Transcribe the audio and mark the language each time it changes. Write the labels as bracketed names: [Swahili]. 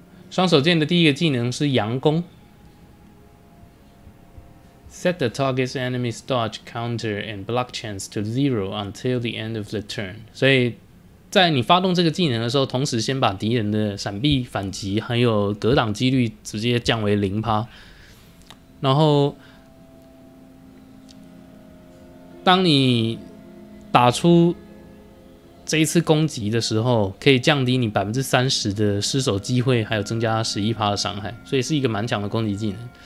[Chinese] 双手剑的第一个技能是阳弓。 [English] Set the target's enemy's dodge counter and block chance to zero until the end of the turn. [Chinese] 所以在你发动这个技能的时候，同时先把敌人的闪避、反击还有格挡几率直接降为 0%。然后当你打出这一次攻击的时候，可以降低你 30% 的失手机会，还有增加 11% 的伤害，所以是一个蛮强的攻击技能。